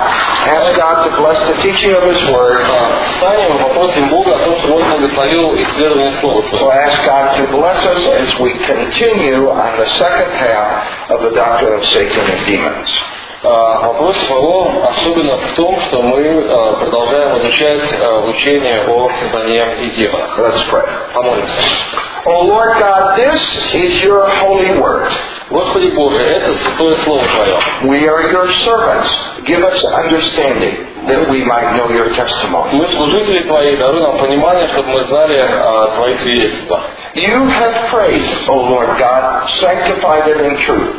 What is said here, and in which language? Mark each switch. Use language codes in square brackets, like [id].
[en] Ask God to bless the teaching of His Word. We'll ask God to bless us as we continue on the second half of the doctrine of Satan and demons. [ru] Вопрос его особенно в том, что мы продолжаем изучать учение о сатане и демонах. [en] Let's pray. [ru] Помолимся. [en] O Lord God, this is your holy word. [ru] Господи Боже, это святое слово Твое. [en] We are your servants. Give us understanding that we might know your testimony. [ru] Мы служители Твои, даруй нам понимание, чтобы мы знали Твои свидетельства. [en] You have prayed, O Lord God, sanctify them in truth.